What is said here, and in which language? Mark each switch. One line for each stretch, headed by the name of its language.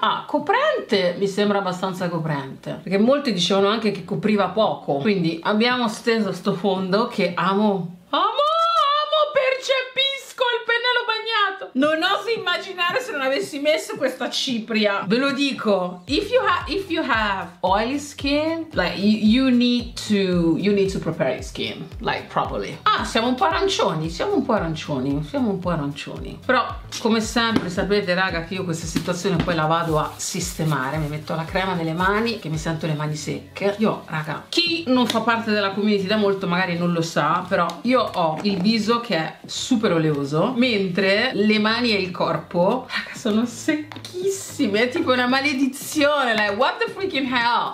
Italian: Ah, coprente, mi sembra abbastanza coprente, perché molti dicevano anche che copriva poco. Quindi abbiamo steso sto fondo che amo, percepisco il pennello bagnato. Non oso immaginare se non avessi messo questa cipria. Ve lo dico,
English: if you have oily skin, like you need to prepare your skin, like properly.
Italian: Ah, siamo un po' arancioni. Però, come sempre, sapete, raga, che io questa situazione poi la vado a sistemare. Mi metto la crema nelle mani, che mi sento le mani secche. Io, raga, chi non fa parte della community da molto magari non lo sa, però io ho il viso che è super oleoso, mentre le mani e il corpo, raga, sono secchissime, è tipo una maledizione,
English: like what the freaking hell.